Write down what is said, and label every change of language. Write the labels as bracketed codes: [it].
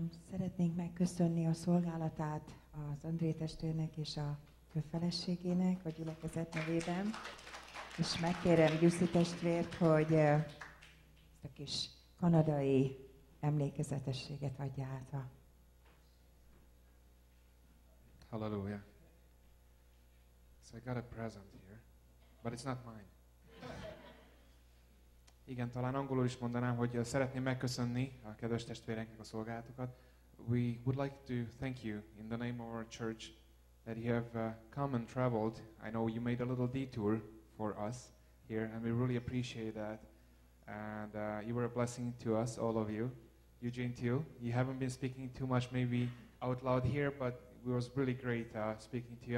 [hu] Szeretnénk megköszönni a szolgálatát az André testvérnek és a feleségének a gyülekezet nevében, és megkérem Gyuszi testvért, hogy ezt a kis kanadai emlékezetességet adja át. Hallelujah. [en] So I got a present here, but it's not mine. [hu] Igen, talán angolul is mondanám, hogy szeretném megköszönni a kedves testvéreknek a szolgálatokat. [en] We would like to thank you in the name of our church that you have come and traveled. I know you made a little detour for us here, and we really appreciate that. And you were a blessing to us, all of you. Eugene too. You haven't been speaking too much maybe out loud here, but it was really great speaking to you.